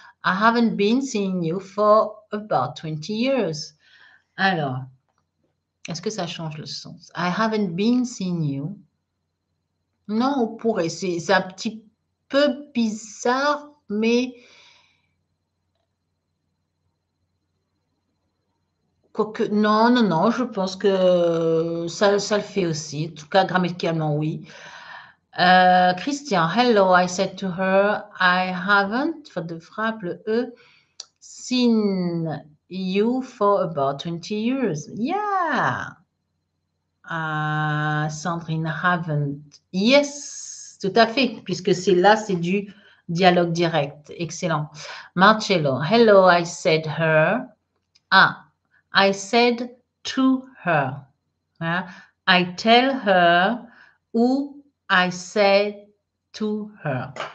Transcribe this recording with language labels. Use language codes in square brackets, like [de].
[en] I haven't been seeing you for about 20 years. [fr] Alors, est-ce que ça change le sens? [en] I haven't been seeing you. [fr] Non, on pourrait. C'est un petit peu bizarre, mais... Quoique, non, non, non, je pense que ça le fait aussi. En tout cas, grammaticalement, oui. [en] Christian, hello, I said to her, I haven't, [fr] faute de frappe, le E, [en] seen you for about 20 years. Yeah! Sandrine, haven't. [fr] Yes, tout à fait, puisque c'est là, c'est du dialogue direct. [en] Excellent. Marcello, hello, I said her. Ah, I said to her. I tell her ou I said to her.